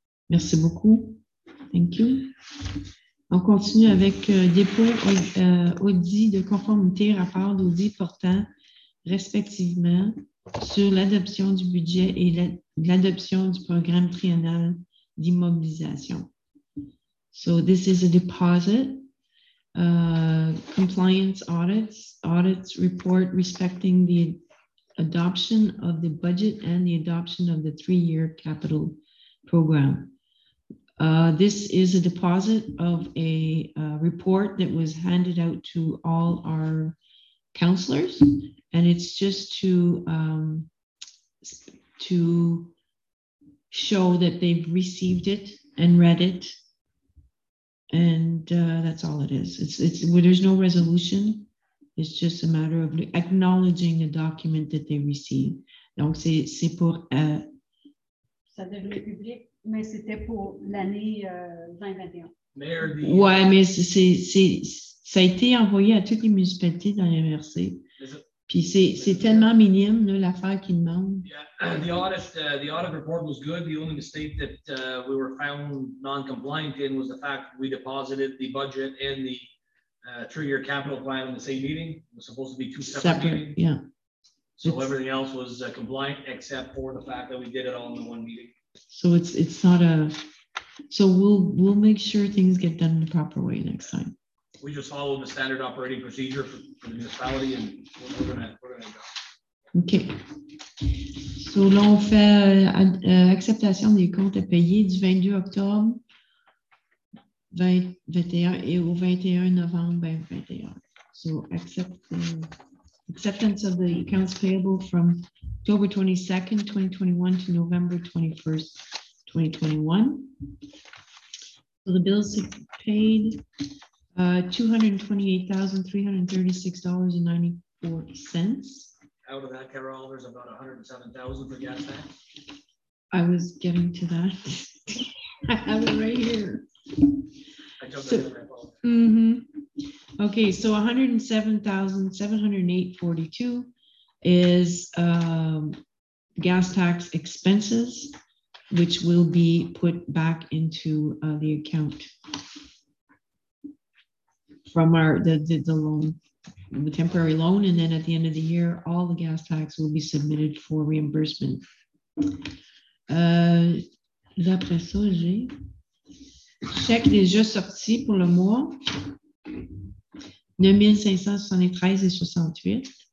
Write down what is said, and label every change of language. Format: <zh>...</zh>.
<fr>Merci beaucoup.</fr> <en>Thank you.</en> <fr>On continue avec dépôt audit de conformité, rapport d'audit portant respectivement sur l'adoption du budget et l'adoption du programme triennal d'immobilisation.</fr> <en>So this is a deposit, compliance audits report respecting the adoption of the budget and the adoption of the three-year capital program. This is a deposit of a report that was handed out to all our counselors, and it's just to show that they've received it and read it, and that's all it is. It's well, there's no resolution. It's just a matter of acknowledging the document that they received.</en> <fr>Donc c'est pour. Ça devient public. Mais c'était pour l'année 2021. Mayor, ouais, mais ça a été envoyé à toutes les municipalités dans les MRC. Puis c'est tellement minime, là, l'affaire qu'ils demandent.</fr> <en>Yeah, the audit report was good. The only mistake that we were found non-compliant in was the fact we deposited the budget and the three-year capital plan in the same meeting. It was supposed to be two separate meetings. Yeah. So it's, everything else was compliant except for the fact that we did it all in the one meeting. So it's not a, so we'll make sure things get done the proper way next time. We just follow the standard operating procedure for the municipality and we're gonna go. Okay.</en> <fr>So là, on fait acceptation des comptes à payer du 22 octobre 2021 et au 21 novembre 2021.</fr> <en>So acceptance of the accounts payable from October 22nd, 2021 to November 21st, 2021. So the bills paid $228,336.94. Out of that, Carol, there's about $107,000 for gas tax. I was getting to that. I have it right here. I jumped so, in my phone. Mm-hmm. Okay, so $107,708.42. Is gas tax expenses, which will be put back into the account from our the loan, the temporary loan, and then at the end of the year, all the gas tax will be submitted for reimbursement.</en> <fr>Après ça, j'ai chèque déjà sorti pour le mois 9573.68.</fr>